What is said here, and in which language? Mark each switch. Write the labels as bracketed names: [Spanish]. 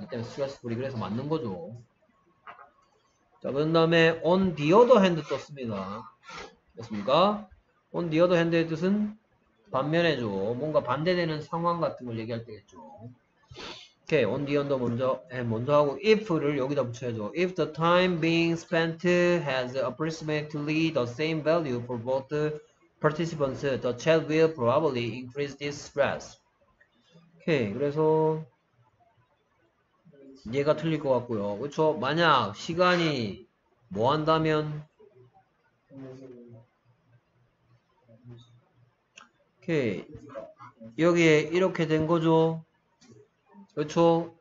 [Korean] 그 때문에 스트레스풀이 그래서 맞는 거죠. 자, 그런 다음에 [English] on the other hand [Korean] 떴습니다. 됐습니까? [English] on the other hand [Korean] 의 뜻은 반면에죠. 뭔가 반대되는 상황 같은 걸 얘기할 때겠죠. 오케이, [English] on the other [Korean] 먼저 하고 if를 여기다 붙여야죠. [English] If the time being spent has approximately the same value for both participants, the chat will probably increase this stress. [Korean] 오케이, 그래서 얘가 틀릴 것 같고요. 그렇죠? 만약 시간이 뭐 한다면, 오케이, 여기에 이렇게 된 거죠. 그렇죠?